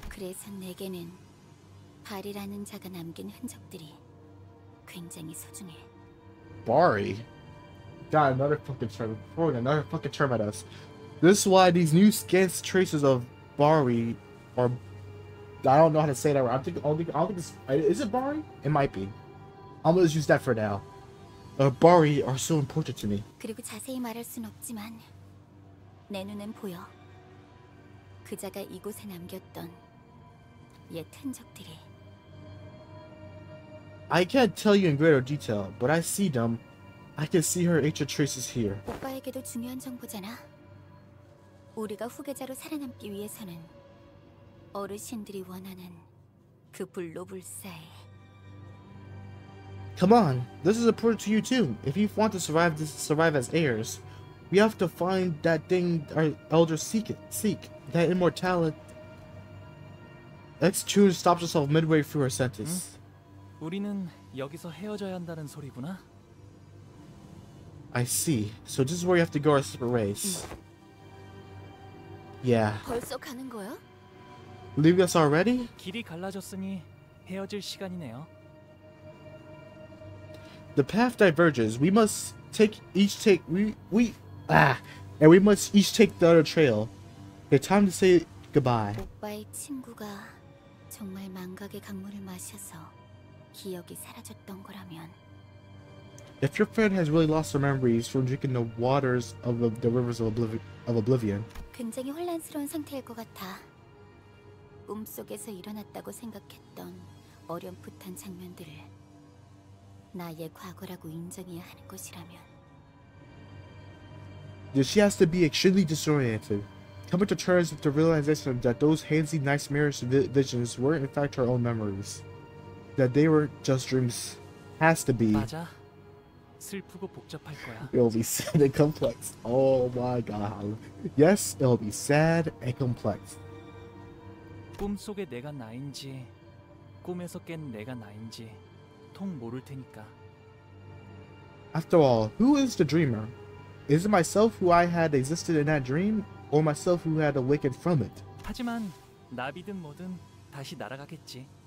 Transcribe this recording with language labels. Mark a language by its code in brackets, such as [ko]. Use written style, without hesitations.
[ko] 그래서 내게는 바리라는 자가 남긴 흔적들이 굉장히 소중해. [en] Bari? Got another fucking term. Throwing another fucking term at us. This is why these new scant traces of Bari are... I don't know how to say that right. I don't think it's... Is it Bari? It might be. I'm gonna just use that for now. Bari are so important to me. [ko] 그리고 자세히 말할 순 없지만 내 눈엔 보여. 그 자가 이곳에 남겼던 옛 흔적들이. [en] I can't tell you in greater detail, but I see them. I can see her ancient traces here. [ko] 오빠에게도 중요한 정보잖아. 우리가 후계자로 살아남기 위해서는 어르신들이 원하는 그 불로 불사에. [en] Come on, this is important to you too. If you want to survive as heirs, we have to find that thing our elders seek, that immortality. X-Chun stops herself midway through her sentence. 응? [ko] 우리는 여기서 헤어져야 한다는 소리구나. [en] I see. So this is where you have to go our separate ways. 응. Yeah. [ko] 벌써 가는 거야? [en] Leaving us already? [ko] 길이 갈라졌으니 헤어질 시간이네요. [en] The path diverges. We must take each the other trail. It's time to say goodbye. [ko] 오빠의 친구가 정말 망각의 강물을 마셔서 기억이 사라졌던 거라면. [en] If your friend has really lost her memories from drinking the waters of the rivers of oblivion. [ko] 굉장히 혼란스러운 상태일 것 같아. 꿈속에서 일어났다고 생각했던 어렴풋한 장면들을 나의 과거라고 인정해야 하는 것이라면. [en] She has to be extremely disoriented, coming to terms with the realization that those hazy nightmarish visions were in fact her own memories, that they were just dreams. Has to be. [ko] 맞아. 슬프고 복잡할 거야. [en] It'll be sad and complex. Oh my god. Yes, it'll be sad and complex. [ko] 꿈속에 내가 나인지, 꿈에서 깬 내가 나인지 통 모를 테니까. [en] After all, who is the dreamer? Is it myself who I had existed in that dream, or myself who had awakened from it? [ko] 하지만 나비든 뭐든 다시 날아가겠지.